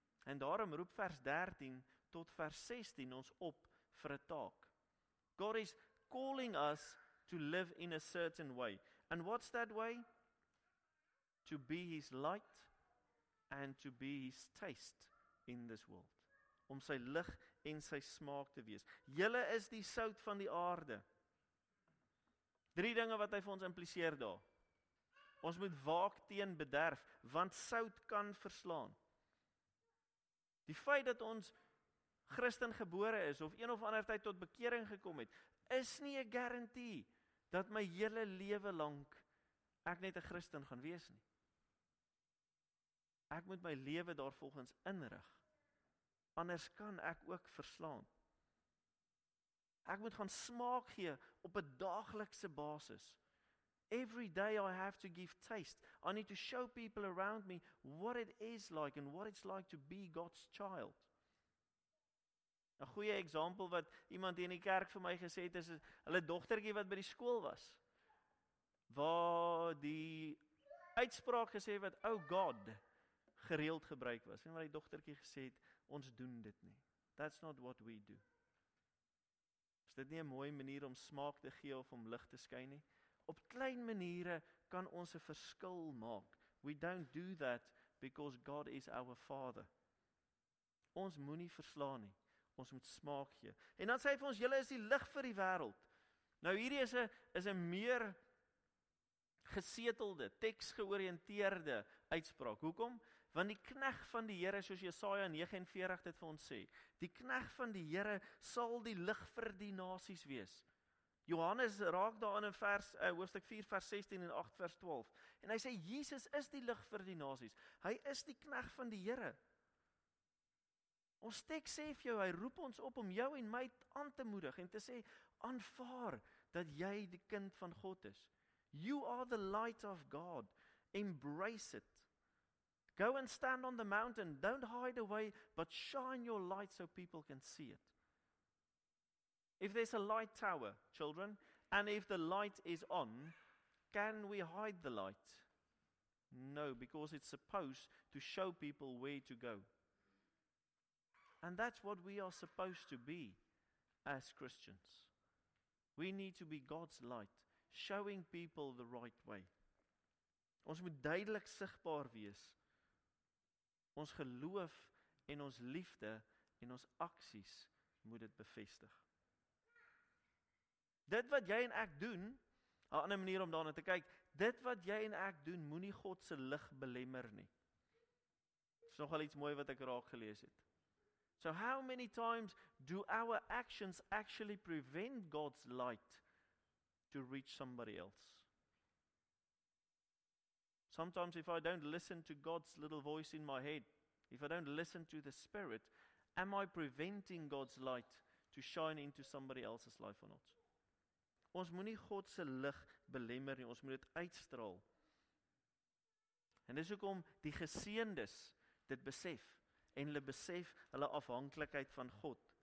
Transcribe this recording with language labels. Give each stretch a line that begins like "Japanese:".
Afrikaans: En daarom roep vers 13 tot vers 16 ons op vir 'n taak.
English: God is calling us to live in a certain way. And what's that way? To be His light and to be His taste in this world.
Afrikaans: Om sy lig en sy smaak te wees. Julle is die sout van die aarde. Drie dinge wat hy vir ons impliseer daar. Ons moet waak teen bederf, want sout kan verslaan. Die feit dat ons Christen gebore is, of een of ander tyd tot bekering gekom het, is nie 'n garantie dat my hele lewe lank ek net 'n Christen gaan wees nie. Ek moet my lewe daarvolgens inrig, anders kan ek ook verslaan. Ek moet gaan smaak gee op 'n daaglikse basis.
English: Every day I have to give taste. I need to show people around me what it is like and what it's like to be God's child.
Afrikaans: 'N goeie voorbeeld wat iemand hier in die kerk vir my gesê het, is hulle dogtertjie wat by die skool was. Waar die uitspraak gesê wat oh God gereeld gebruik was. En wat die dogtertjie gesê het, ons doen dit nie.
English: That's not what we do.
Afrikaans: Is dit nie 'n mooie manier om smaak te gee of om lig te skyn nie? Op klein maniere kan ons 'n verskil maak.
English: We don't do that because God is our Father.
Afrikaans: Ons moenie verslaan nie. Ons moet smaak gee. En dan sê hy vir ons, julle is die lig vir die wêreld. Nou hierdie is 'n meer gesetelde, teksgeoriënteerde uitspraak. Hoekom? Want die kneg van die Here, soos Jesaja 49 dit vir ons sê, die kneg van die Here sal die lig vir die nasies wees. Johannes raak daarin in hoofstuk 4 vers 16 en 8 vers 12. En hy sê, Jesus is die lig vir die nasies. Hy is die kneg van die Here. Ons teks sê vir jou, hy roep ons op om jou en my aan te moedig en te sê, aanvaar dat jy die kind van God is.
English: You are the light of God. Embrace it. Go and stand on the mountain. Don't hide away, but shine your light so people can see it. If there's a light tower, children, and if the light is on, can we hide the light? No, because it's supposed to show people where to go. And that's what we are supposed to be as Christians. We need to be God's light, showing people the right way.
Afrikaans: Ons moet duidelik sigbaar wees. Ons geloof en ons liefde en ons aksies moet dit bevestig. Dit wat jy en ek doen, 'n ander manier om daarna te kyk, dit wat jy en ek doen, moenie God se lig belemmer nie. Dit is nogal iets mooi wat ek raak gelees het.
English: So how many times do our actions actually prevent God's light to reach somebody else? Sometimes if I don't listen to God's little voice in my head, if I don't listen to the Spirit, am I preventing God's light to shine into somebody else's life or not?
Afrikaans: Ons moet nie God se lig belemmer nie, ons moet dit uitstraal. En dis hoekom die geseëndes dit besef, en hulle besef hulle afhanklikheid van God.